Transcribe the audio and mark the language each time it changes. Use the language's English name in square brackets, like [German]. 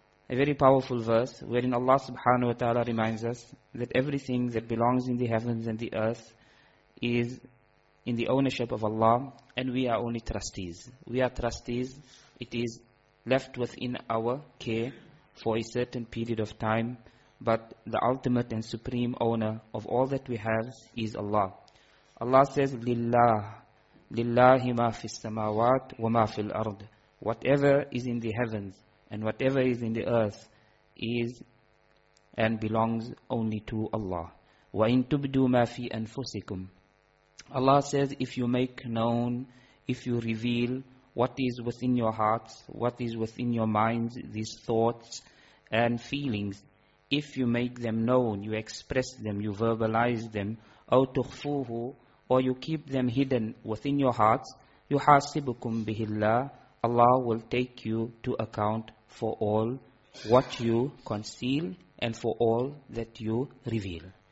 [English] A very powerful verse wherein Allah subhanahu wa ta'ala reminds us that everything that belongs in the heavens and the earth is in the ownership of Allah, and we are only trustees. We are trustees. It is left within our care for a certain period of time, but the ultimate and supreme owner of all that we have is Allah. Allah says, [Arabic] لِلَّهِ لِلَّهِ مَا فِي السَّمَاوَاتِ وَمَا فِي الْأَرْضِ. [English] Whatever is in the heavens and whatever is in the earth is and belongs only to Allah. [Arabic] وَإِن تُبْدُوا مَا فِي أَنفُسِكُمْ. [English] Allah says, if you make known, if you reveal what is within your hearts, what is within your minds, these thoughts and feelings, if you make them known, you express them, you verbalize them, [Arabic] أو تخفوه, [English] or you keep them hidden within your hearts, [Arabic] يُحَاسِبُكُمْ بِهِ اللَّهِ, [English] Allah will take you to account for all what you conceal and for all that you reveal.